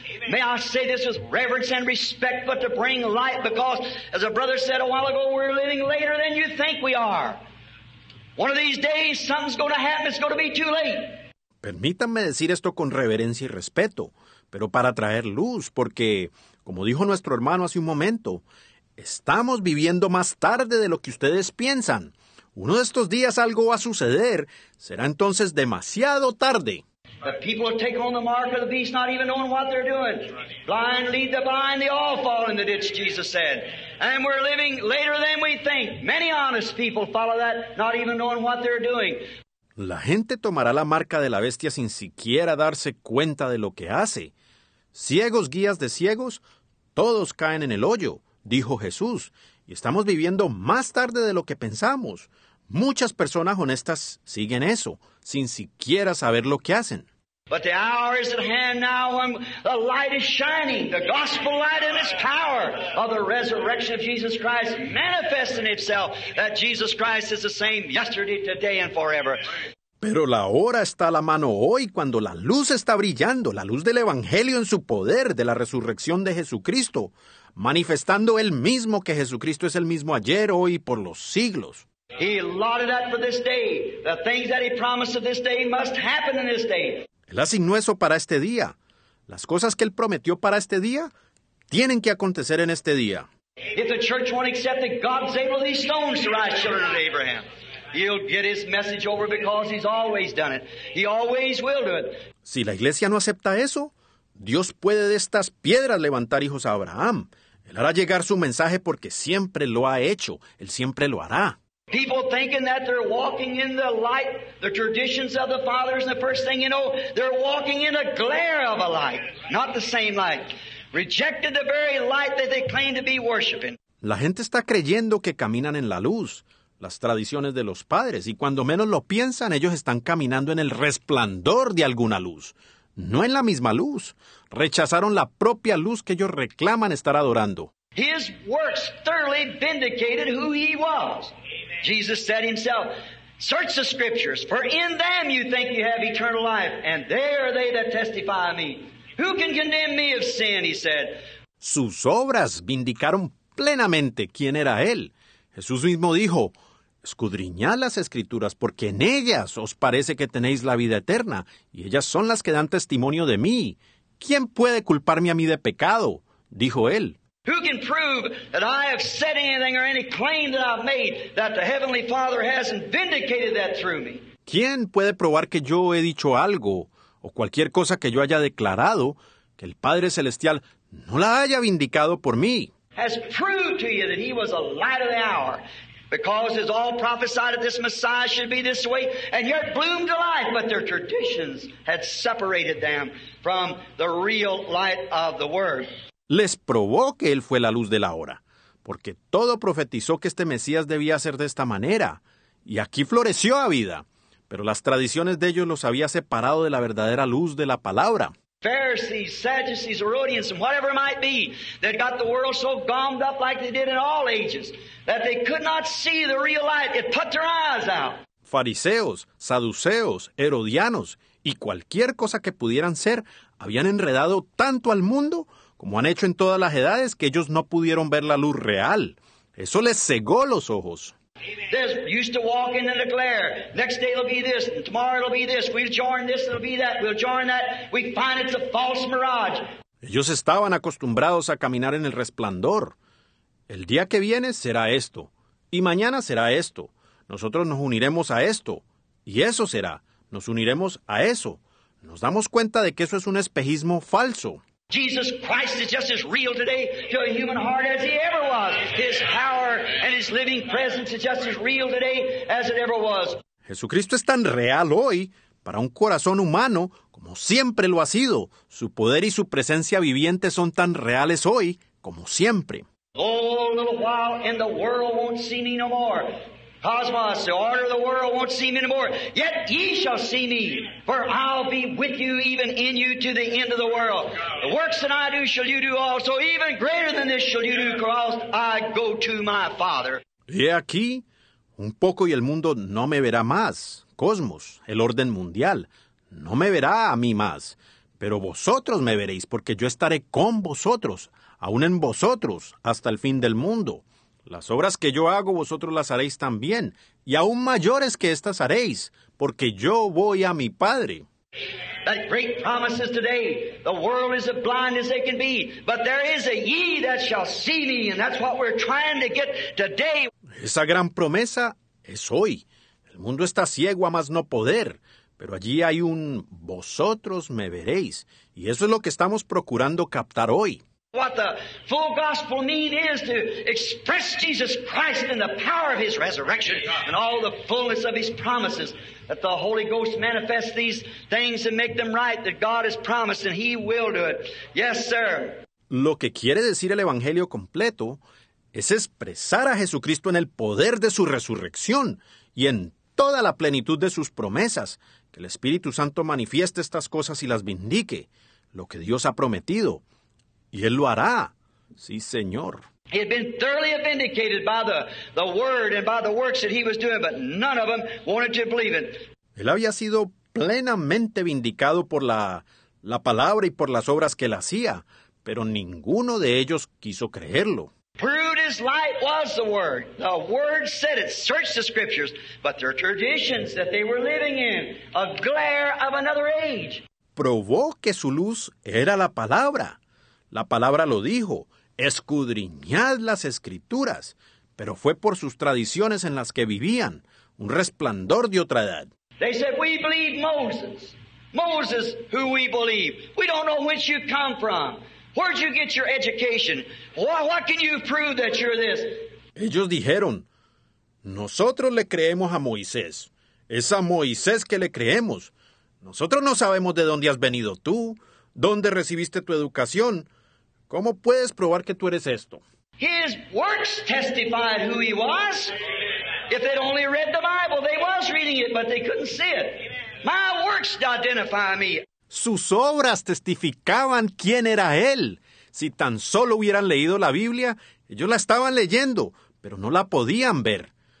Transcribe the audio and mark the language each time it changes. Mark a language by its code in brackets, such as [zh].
[en] May I say this with reverence and respect, but to bring light, because as a brother said a while ago, we're living later than you think we are. One of these days, something's going to happen. It's going to be too late. [es] Permítanme decir esto con reverencia y respeto, pero para traer luz, porque, como dijo nuestro hermano hace un momento, estamos viviendo más tarde de lo que ustedes piensan. Uno de estos días algo va a suceder, será entonces demasiado tarde. [en] The people will take on the mark of the beast, not even knowing what they're doing. Blind lead the blind, they all fall in the ditch, Jesus said. And we're living later than we think. Many honest people follow that, not even knowing what they're doing. [es] La gente tomará la marca de la bestia sin siquiera darse cuenta de lo que hace. Ciegos guías de ciegos, todos caen en el hoyo, dijo Jesús. Y estamos viviendo más tarde de lo que pensamos. Muchas personas honestas siguen eso, sin siquiera saber lo que hacen. [en] But the hour is at hand now when the light is shining, the gospel light and its power of the resurrection of Jesus Christ manifesting itself, that Jesus Christ is the same yesterday, today, and forever. [es] Pero la hora está a la mano hoy cuando la luz está brillando, la luz del Evangelio en su poder de la resurrección de Jesucristo, manifestando él mismo que Jesucristo es el mismo ayer, hoy y por los siglos. [en] He allotted that for this day. The things that he promised of this day must happen in this day. [es] Él asignó eso para este día. Las cosas que Él prometió para este día tienen que acontecer en este día. [en] If the church won't accept that God's able these stones to rise children of Abraham, He'll get His message over because He's always done it. He always will do it. [es] Si la iglesia no acepta eso, Dios puede de estas piedras levantar hijos a Abraham. Él hará llegar su mensaje porque siempre lo ha hecho. Él siempre lo hará. [en] People thinking that they're walking in the light, the traditions of the fathers, and the first thing you know, they're walking in a glare of a light, not the same light. Rejected the very light that they claim to be worshiping. [es] La gente está creyendo que caminan en la luz, las tradiciones de los padres, y cuando menos lo piensan, ellos están caminando en el resplandor de alguna luz. No en la misma luz. Rechazaron la propia luz que ellos reclaman estar adorando. [en] His works thoroughly vindicated who he was. Jesus said himself, search the scriptures, for in them you think you have eternal life, and they are they that testify of me. Who can condemn me of sin, he said. [es] Sus obras vindicaron plenamente quién era él. Jesús mismo dijo, escudriñad las escrituras, porque en ellas os parece que tenéis la vida eterna, y ellas son las que dan testimonio de mí. ¿Quién puede culparme a mí de pecado? Dijo él. [en] Who can prove that I have said anything or any claim that I've made that the Heavenly Father hasn't vindicated that through me? [es] ¿Quién puede probar que yo he dicho algo o cualquier cosa que yo haya declarado que el Padre Celestial no la haya vindicado por mí? [en] Has proved to you that he was a light of the hour because it's all prophesied that this Messiah should be this way and yet bloomed to life, but their traditions had separated them from the real light of the Word. [es] Les probó que él fue la luz de la hora, porque todo profetizó que este Mesías debía ser de esta manera, y aquí floreció a vida, pero las tradiciones de ellos los había separado de la verdadera luz de la palabra. [en] Pharisees, Sadducees, Herodians, and whatever it might be, that got the world so gommed up like they did in all ages, that they could not see the real light, it put their eyes out. [es] Fariseos, Saduceos, Herodianos, y cualquier cosa que pudieran ser, habían enredado tanto al mundo como han hecho en todas las edades, que ellos no pudieron ver la luz real. Eso les cegó los ojos. [en] This used to walk in the glare. Next day it'll be this, and tomorrow it'll be this. We'll join this, it'll be that. We'll join that. We find it's a false mirage. [es] Ellos estaban acostumbrados a caminar en el resplandor. El día que viene será esto, y mañana será esto. Nosotros nos uniremos a esto, y eso será. Nos uniremos a eso. Nos damos cuenta de que eso es un espejismo falso. [en] Jesus Christ is just as real today to a human heart as he ever was. His power and his living presence is just as real today as it ever was. [es] Jesucristo es tan real hoy para un corazón humano como siempre lo ha sido. Su poder y su presencia viviente son tan reales hoy como siempre. [en] Oh, a little while and the world won't see me no more. Cosmos, the order of the world won't see me no more. Yet ye shall see me, for I'll be with you, even in you, to the end of the world. The works that I do shall you do also, even greater than this shall you do, because I go to my Father. [es] He aquí, un poco y el mundo no me verá más. Cosmos, el orden mundial, no me verá a mí más. Pero vosotros me veréis, porque yo estaré con vosotros, aún en vosotros, hasta el fin del mundo. Las obras que yo hago, vosotros las haréis también, y aún mayores que estas haréis, porque yo voy a mi Padre. [en] That great promise is today, the world is as blind as they can be, but there is a ye that shall see me, and that's what we're trying to get today. [es] Esa gran promesa es hoy. El mundo está ciego a más no poder, pero allí hay un vosotros me veréis, y eso es lo que estamos procurando captar hoy. [en] What the full gospel mean is to express Jesus Christ in the power of his resurrection and all the fullness of his promises, that the Holy Ghost manifests these things and make them right, that God has promised and he will do it. Yes, sir. [es] Lo que quiere decir el Evangelio completo es expresar a Jesucristo en el poder de su resurrección y en toda la plenitud de sus promesas, que el Espíritu Santo manifieste estas cosas y las vindique, lo que Dios ha prometido. Y él lo hará. Sí, Señor. [en] He had been thoroughly vindicated by the word and by the works that he was doing, but none of them wanted to believe it. [es] Él había sido plenamente vindicado por la palabra y por las obras que él hacía, pero ninguno de ellos quiso creerlo. [en] Proved his light was the word. The word said it. Search the scriptures. But their traditions that they were living in, a glare of another age. [es] Probó que su luz era la palabra. La palabra lo dijo, escudriñad las escrituras, pero fue por sus tradiciones en las que vivían, un resplandor de otra edad. [en] They said, we believe Moses. Moses, who we believe. We don't know whence you come from. Where'd you get your education? What can you prove that you're this? [es] Ellos dijeron, Nosotros le creemos a Moisés. Es a Moisés que le creemos. Nosotros no sabemos de dónde has venido tú, dónde recibiste tu educación. ¿Cómo puedes probar que tú eres esto? [en] His works testified who he was. If they'd only read the Bible, they was reading it, but they couldn't see it. My works identify me. [es] Sus obras testificaban quién era él. Si tan solo hubieran leído la Biblia, ellos la estaban leyendo, pero no la podían ver.